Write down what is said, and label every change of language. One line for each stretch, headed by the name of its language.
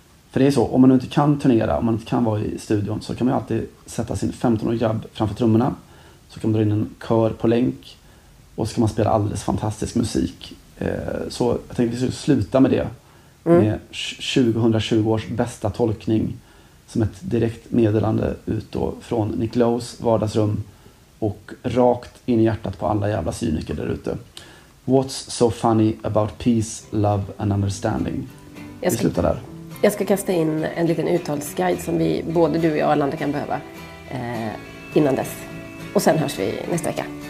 Swedish: För det är så, om man inte kan turnera, om man inte kan vara i studion, så kan man ju alltid sätta sin 15-årig jabb framför trummorna, så kan man dra in en kör på länk och så kan man spela alldeles fantastisk musik. Så jag tänkte att vi skulle sluta med det. Mm. Med 2020 års bästa tolkning som ett direkt meddelande ut då från Nick Lowes vardagsrum och rakt in i hjärtat på alla jävla cyniker där ute.
English: What's so funny about peace, love and understanding?
Swedish: Vi slutar där. Jag ska kasta in en liten uttalsguide som vi både du och jag och Arlanda kan behöva innan dess. Och sen hörs vi nästa vecka.